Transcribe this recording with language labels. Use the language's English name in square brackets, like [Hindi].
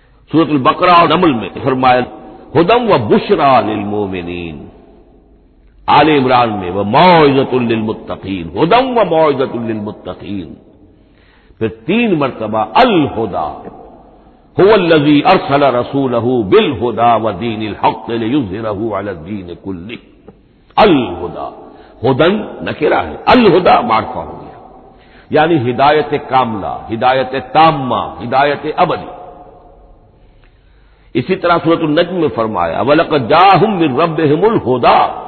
[Urdu] سورۃ البقرہ اور نمل میں فرمایا [Arabic] ہدم و بشرا للمومنین، [Urdu] آل عمران میں وہ موعظۃ للمتقین، [Arabic] ہدم و موعظۃ للمتقین، [Urdu] پھر تین مرتبہ الہدا، [Arabic] هو الذي ارسل رسوله بالهدى ودين الحق ليظهره على الدين كله. [Urdu] الهدى هدن نکرا ہے، الہدا معرفہ ہو گیا، یعنی ہدایت کاملہ، ہدایت تامہ، ہدایت ابدی. اسی طرح سورۃ النجم میں فرمایا [Arabic] وَلَقَدْ جَاءَهُمْ مِنْ رَبِّهِمُ الْهُدَى.